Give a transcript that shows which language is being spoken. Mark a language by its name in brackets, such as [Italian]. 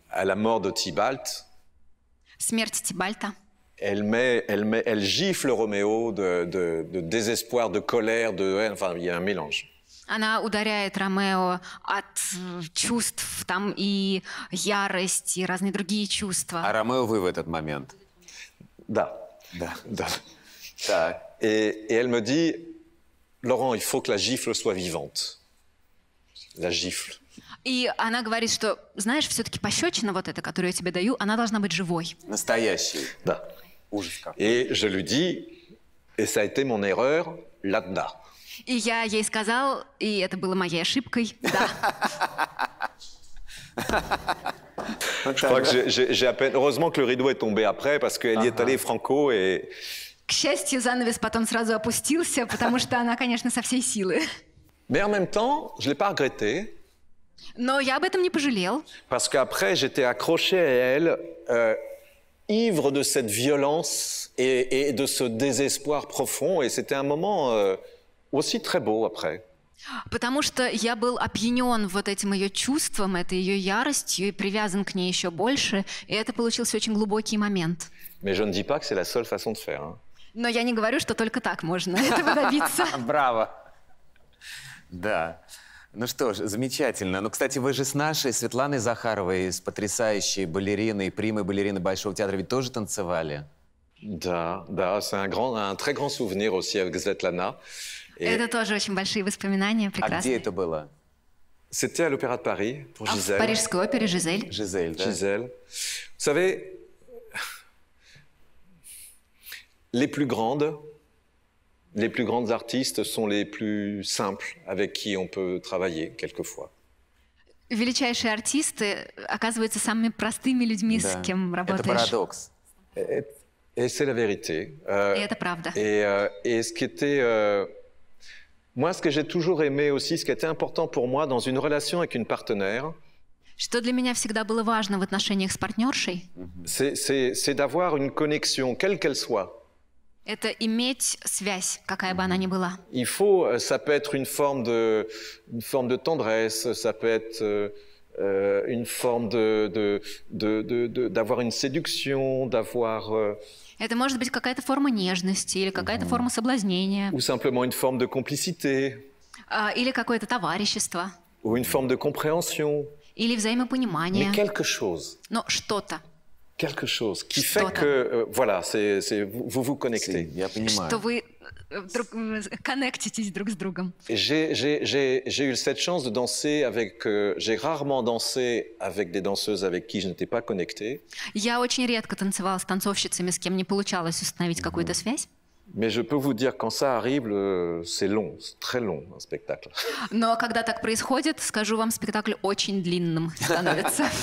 [French] À la mort de Tybalt. [Russian] Смерть Тибальта. [French] Elle gifle Roméo de désespoir, de colère, de haine. Enfin, il y a un mélange. [Russian] Она ударяет Ромео от чувств, там и ярость, и разные другие чувства. А Ромео вы в этот момент? Да. Да. Да. Да. [French] Et elle me dit, Laurent, il faut que la gifle soit vivante. La gifle. [Russian] И она говорит, что, знаешь, все-таки пощечина вот эта, которую я тебе даю, она должна быть живой. Настоящей. Да. Ужас. [French] Et je lui dis, et ça a été mon erreur là-dedans. [Russian] И я ей сказал, и это было моей ошибкой. Да. [French] Je crois que j'ai à peine. Heureusement que le rideau est tombé après, parce qu'elle y est allée franco et. [Russian] К счастью, занавес потом сразу опустился, потому что она, конечно, со всей силы. [French] Mais en même temps, je l'ai pas regretté. [Russian] Но я об этом не пожалел. [French] Parce qu'après, j'étais accroché à elle. Ivre de cette violence et de ce désespoir profond, et c'était un moment aussi très beau après. [Russian] Потому что я был опьянен вот этим ее чувством, этой ее яростью и привязан к ней еще больше, и это получился очень глубокий момент. [French] Mais je ne dis pas que c'est la seule façon de faire. Hein. [Russian] Но я не говорю, что только так можно этого добиться. Браво. Да. Ну что ж, замечательно. Ну, кстати, вы же с нашей Светланой Захаровой, с потрясающей балериной, примой балерины Большого театра, ведь тоже танцевали? Да, да, [French] c'est un très grand souvenir aussi avec Svetlana. [Russian] Это тоже очень большие воспоминания, прекрасные. А где это было? [French] C'était à l'Opéra de Paris, pour Gisèle. [Russian] В парижской опере Gisèle. Gisèle, да. Gisèle. [French] Vous savez, les plus grandes artistes sont les plus simples avec qui on peut travailler quelquefois. [Russian] Величайшие артисты оказываются самыми простыми людьми, да. с кем работаешь. Это парадокс. [French] Et c'est la vérité. Et [Russian] это правда. [French] Et ce qui était moi ce que j'ai toujours aimé aussi, ce qui était important pour moi dans une relation avec une partenaire. [Russian] Что для меня всегда было важно в отношениях с партнершей? [French] C'est d'avoir une connexion, quelle qu'elle soit. [Russian] Это иметь связь, какая бы она ни была. [French] Il faut, ça peut être une forme de tendresse, ça peut être une forme de d'avoir une séduction, d'avoir. [Russian] Это может быть какая-то форма нежности или какая-то форма соблазнения. [French] Ou simplement une forme de complicité. [Russian] Или какое-то товарищество. [French] Ou une forme de compréhension. [Russian] Или взаимопонимание. [French] Mais quelque chose. [Russian] Но что-то. [French] Quelque chose qui fait que voilà, c'est vous connectez. [Russian] Что вы коннектитесь друг с другом. [French] J'ai eu cette chance de danser avec. J'ai rarement dansé avec des danseuses avec qui je n'étais pas connecté. [Russian] Я очень редко танцевала с танцовщицами, с кем не получалось установить какую-то связь. [French] Mais je peux vous dire quand ça arrive, c'est long, c'est très long un spectacle. [Russian] Но когда так происходит, скажу вам, спектакль очень длинным становится.